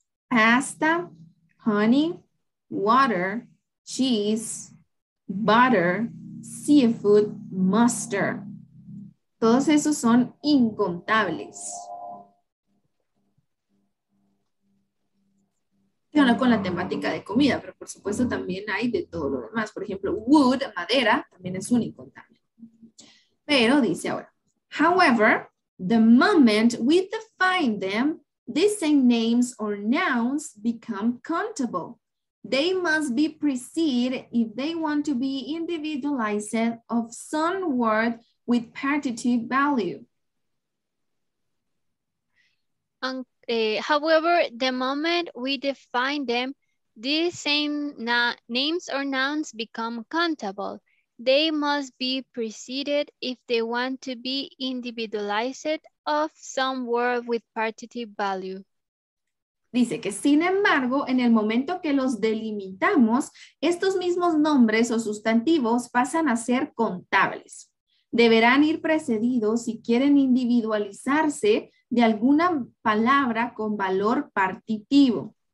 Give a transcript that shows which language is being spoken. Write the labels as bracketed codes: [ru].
[en] pasta, honey, water, cheese, butter, seafood, mustard. [es] Todos esos son incontables. Y bueno, con la temática de comida, pero por supuesto también hay de todo lo demás. Por ejemplo, wood, madera, también es un incontable. Pero dice ahora, [en] however, the moment we define them, these same names or nouns become countable. They must be preceded if they want to be individualized of some word with partitive value. However, the moment we define them, these same names or nouns become countable. They must be preceded if they want to be individualized of some word with partitive value. [es] Dice que, sin embargo, en el momento que los delimitamos, estos mismos nombres o sustantivos pasan a ser contables. Deberán ir precedidos si quieren individualizarse de alguna palabra con valor partitivo.